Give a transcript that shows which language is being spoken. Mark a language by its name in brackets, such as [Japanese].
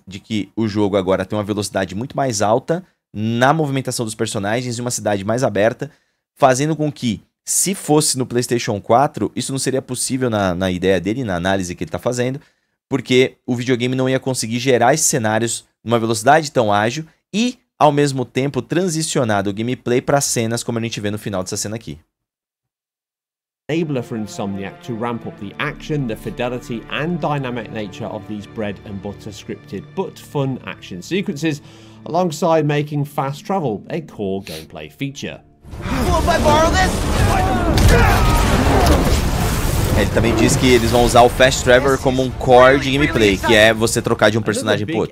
[Portuguese] De que o jogo agora tem uma velocidade muito mais alta na movimentação dos personagens e uma cidade mais aberta, fazendo com que, se fosse no PlayStation 4, isso não seria possível na ideia dele, na análise que ele tá fazendo, porque o videogame não ia conseguir gerar esses cenários numa velocidade tão ágil e, ao mesmo tempo, transicionar do gameplay para cenas como a gente vê no final dessa cena aqui. [English] Enabler for Insomniac to ramp up the action, the fidelity and dynamic nature of these bread and butter scripted but fun action sequences, alongside making fast travel a core gameplay feature. Well, if I borrow this? [Portuguese] Ele também diz que eles vão usar o Fast Travel como um core de gameplay, que é você trocar de um personagem para outro.